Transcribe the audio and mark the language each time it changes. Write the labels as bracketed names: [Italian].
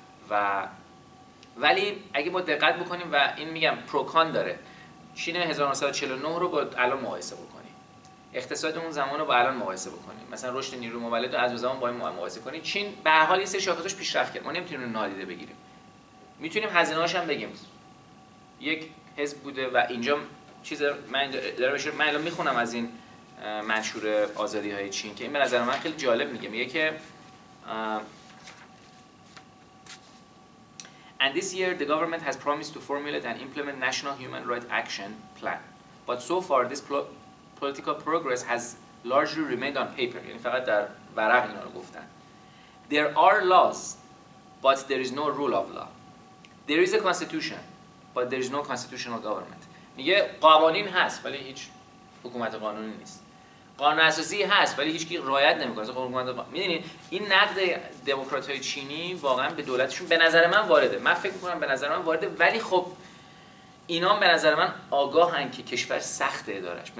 [Persian] و ولی اگه ما دقت بکنیم و این میگم پروکان داره، چین 1949 رو با الان مقایسه بکنیم، اقتصاد اون زمان رو با الان مقایسه بکنیم، مثلا رشد نیرو مولد از اون زمان با این مقایسه کنی، چین به هر حال یه سری شاخصاش پیشرفت کرد. ما نمیتونیم اون نادیده بگیریم، میتونیم هزینه‌هاش هم بگیم. یک حزب بوده و اینجا چیز من داره بشه، من الان میخونم از این منشور آزادی های چین که این به نظر من خیلی جالب میگه. میگه که [English] And this year, the government has promised to formulate and implement National Human Rights Action Plan. But so far, this political progress has largely remained on paper. [Persian] یعنی فقط در ورق اینا رو گفتن. [English] There are laws, but there is no rule of law. There is a constitution, but there is no constitutional government. [Persian] میگه قوانین هست ولی هیچ حکومت قانونی نیست. قانون اساسی هست ولی هیچ کی رعایت نمی‌کنه. خب حکومت می‌دونید این نقد دموکرات‌های چینی واقعا به دولتشون به نظر من وارده. من فکر می‌کنم به نظر من وارده ولی خب اینا به نظر من آگاهن که کشور سخت ادارش.